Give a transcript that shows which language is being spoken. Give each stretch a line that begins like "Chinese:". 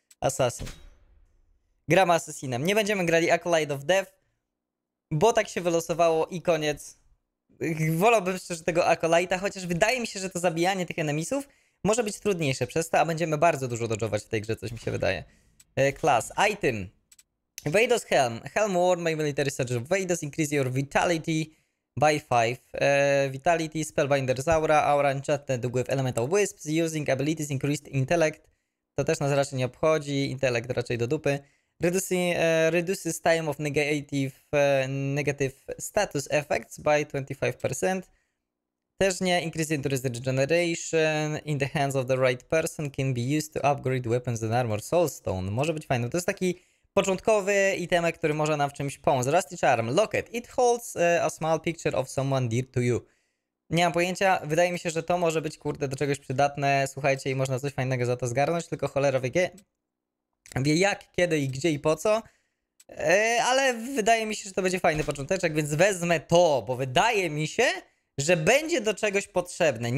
Polish: Assassin. Gramy Assassinem. Nie będziemy grali Acolyte of Death. Bo tak się wylosowało i koniec. Wolałbym szczerze tego Acolyta, chociaż wydaje mi się, że to zabijanie tych enemisów może być trudniejsze przez to, a będziemy bardzo dużo dodżować w tej grze, coś mi się wydaje.
English: Class. Item. Vados Helm. Helm worn by military soldier. Vados increase your vitality by 5. Vitality, Spellbinder's aura, aura enchanted with elemental wisps, using abilities increased intellect.
Polish: To też nas raczej nie obchodzi, intellect raczej do dupy.
English: Reduces time of negative status effects by 25%.
Polish: Też nie.
English: Increase endurance regeneration in the hands of the right person can be used to upgrade weapons and armor.
Polish: Soulstone. Może być fajne. To jest taki początkowy item, który może nam w czymś pomóc.
English: Rusty Charm. Locket. It holds a small picture of someone dear to you.
Polish: Nie mam pojęcia. Wydaje mi się, że to może być, kurde, do czegoś przydatne. Słuchajcie, i można coś fajnego za to zgarnąć, tylko cholera wie jak, kiedy i gdzie i po co. Ale wydaje mi się, że to będzie fajny począteczek, więc wezmę to, bo wydaje mi się, że będzie do czegoś potrzebne.